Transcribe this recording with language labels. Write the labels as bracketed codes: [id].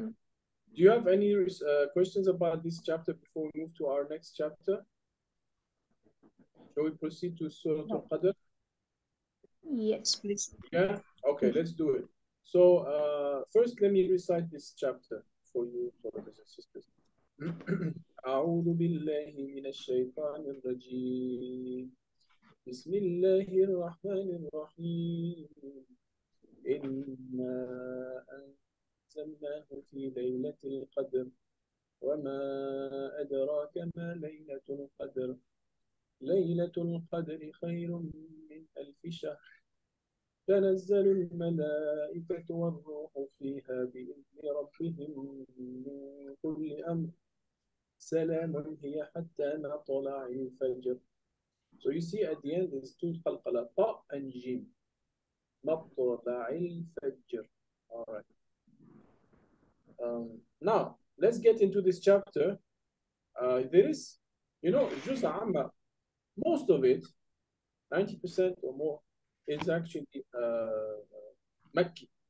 [en] Do you have any questions about this chapter before we move to our next chapter? Shall we proceed to Surah Al-Qadr? Yes, please. Yeah? Okay, let's do it. So, first, let me recite this chapter. For you, brothers and sisters. [ar] أعوذ بالله من الشيطان الرجيم. بسم الله الرحمن الرحيم. إنا أنزلناه في ليلة القدر. وما أدراك ما ليلة القدر. ليلة القدر خير من ألف شهر. تنزل الملائكة والروح فيها بإذن ربهم من كل أمر سلام هي حتى نطلع الفجر. [en] So you see at the end there's two قلقلة طاء and جيم. [ar] مطلع الفجر. [en] All right. Now let's get into this chapter. There is, you know, جزء عام. Most of it, 90% or more, it's actually Makki.